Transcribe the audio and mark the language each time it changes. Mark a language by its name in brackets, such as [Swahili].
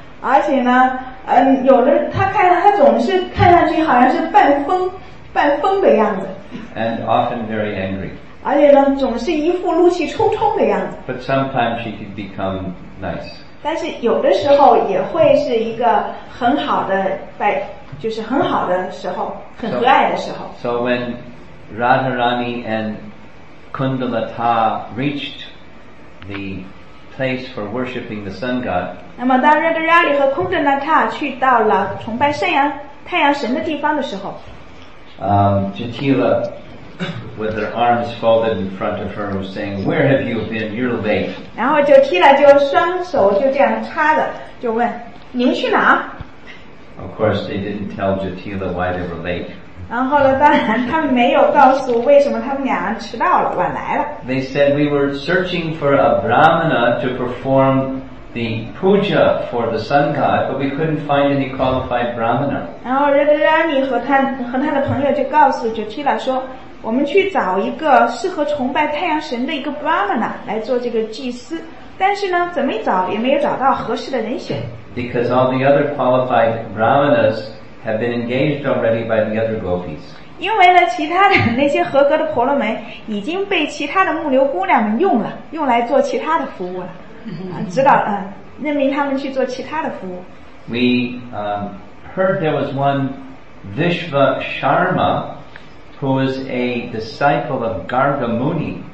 [Chinese] 而且呢，有的他看他总是看上去好像是半疯的样子。 [English] And often very angry. [Chinese] 而且呢，总是一副怒气冲冲的样子。 [English] But sometimes she could become nice. [Chinese] 但是有的时候也会是一个很好的就是很好的时候，很和蔼的时候。 [English] So when Radharani and Kundalata reached the place for worshipping the sun god. [Chinese] 那么当 Radharani 和 Kundalata 去到了崇拜太阳神的地方的时候， [English] Jatila with her arms folded in front of her was saying, "Where have you been? You're late." [Chinese] 然后 Jatila 就双手就这样插着，就问您去哪？ [English] Of course, they didn't tell Jatila why they were late. [Chinese] 然后呢，当然他们没有告诉为什么他们俩迟到了，晚来了。 [English] They said we were searching for a brahmana to perform the puja for the sun god, but we couldn't find any qualified brahmana. [Chinese] 然后 Radharani 和他的朋友就告诉 Jatila 说，我们去找一个适合崇拜太阳神的一个 brahmana 来做这个祭司，但是呢，怎么找也没有找到合适的人选。 [English] Because all the other qualified brahmanas. Have been engaged already by the other gopis. [Chinese] 因为呢，其他的那些合格的婆罗门已经被其他的牧牛姑娘们用了，用来做其他的服务了，指导任命他们去做其他的服务。 [English] We heard there was one Vishva Sharma who was a disciple of Garga Muni.